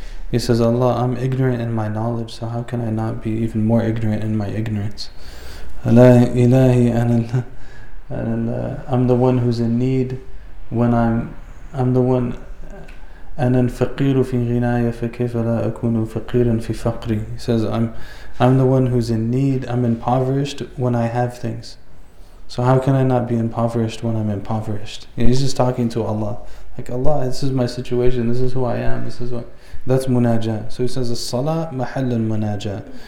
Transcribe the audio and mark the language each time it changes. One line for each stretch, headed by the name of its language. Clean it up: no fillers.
English: He says, Allah, I'm ignorant in my knowledge, so how can I not be even more ignorant in my ignorance? Ilahi, I'm the one who's in need when I'm the one.
Arabic: أنا الفقير في غناية فكيف لا أكون فقيرا في فقري.
English: He says, I'm the one who's in need, I'm impoverished when I have things. So how can I not be impoverished when I'm impoverished? You know, he's just talking to Allah. Like, Allah, this is my situation. This is who I am. This is what... That's munajah.
Arabic: So he says, As-salah mahallun munajah.